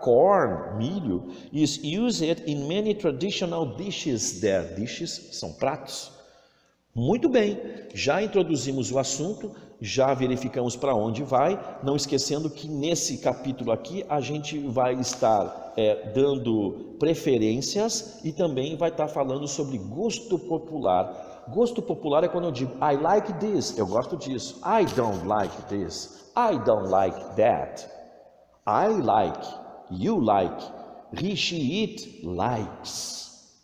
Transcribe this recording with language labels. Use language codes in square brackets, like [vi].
[en] Corn, milho, is used in many traditional dishes there. [pt] Dishes são pratos. Muito bem, já introduzimos o assunto, já verificamos para onde vai, não esquecendo que nesse capítulo aqui a gente vai estar dando preferências e também vai estar falando sobre gosto popular. Gosto popular é quando eu digo, [en] I like this, [pt] eu gosto disso. [en] I don't like this, I don't like that. I like, you like, he, she, it likes.